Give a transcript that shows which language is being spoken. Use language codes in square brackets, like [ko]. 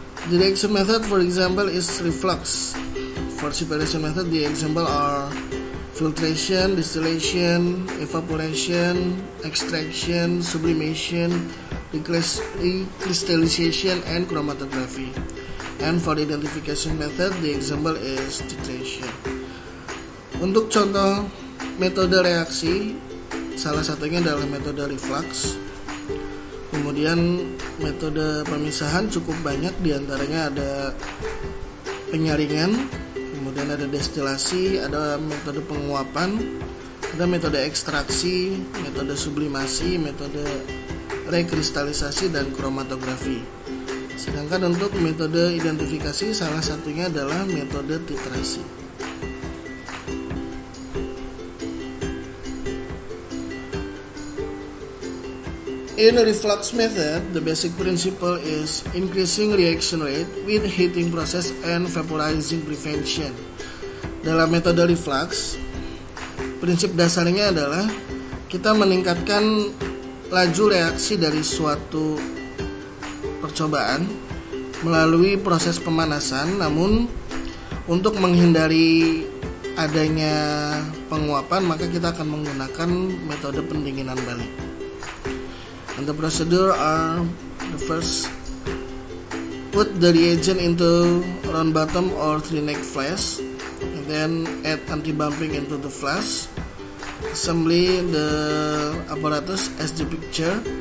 [en] The reaction method, for example, is reflux. For separation method, the example are filtration, distillation, evaporation, extraction, sublimation, decrystallization, and chromatography. And for identification method, the example is titration. [id] Untuk contoh metode reaksi, salah satunya adalah metode reflux. Kemudian metode pemisahan cukup banyak, diantaranya ada penyaringan, kemudian ada destilasi, ada metode penguapan, ada metode ekstraksi, metode sublimasi, metode rekristalisasi, dan kromatografi. Sedangkan untuk metode identifikasi, salah satunya adalah metode titrasi. [en] In a reflux method, the basic principle is increasing reaction rate with heating process and vaporizing prevention. [id] Dalam metode reflux, prinsip dasarnya adalah kita meningkatkan laju reaksi dari suatu percobaan melalui proses pemanasan, namun untuk menghindari adanya penguapan, maka kita akan menggunakan metode pendinginan balik. [en] And the procedure are the first, put the reagent into round bottom or three neck flask, and then add anti-bumping into the flask. Assembly the apparatus as the picture.